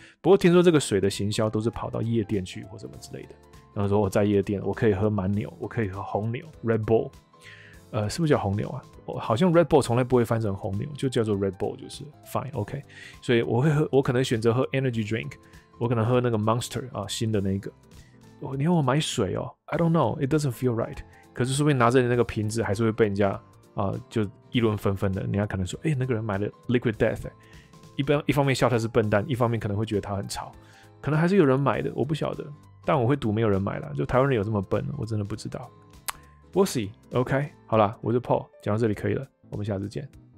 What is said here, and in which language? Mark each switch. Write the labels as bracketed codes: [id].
[zh] 不过听说这个水的行销都是跑到夜店去或什么之类的。然后说我在夜店，我可以喝满牛，我可以喝红牛 Red Bull。是不是叫红牛啊？好像 Red Bull 从来不会翻成红牛，就叫做 Red Bull， 就是 Fine OK。所以我可能选择喝 Energy Drink， 我可能喝那个 Monster 啊，新的那个。你要我买水哦 ？ [en] I don't know， it doesn't feel right。 [zh] 可是说不定拿着你那个瓶子，还是会被人家就议论纷纷的。人家可能说，那个人买了 Liquid Death，一方面笑他是笨蛋，一方面可能会觉得他很潮，可能还是有人买的，我不晓得。但我会赌没有人买了，就台湾人有这么笨，我真的不知道。 [en] We'll see. [zh] OK， 好啦，我是 Paul， 讲到这里可以了，我们下次见。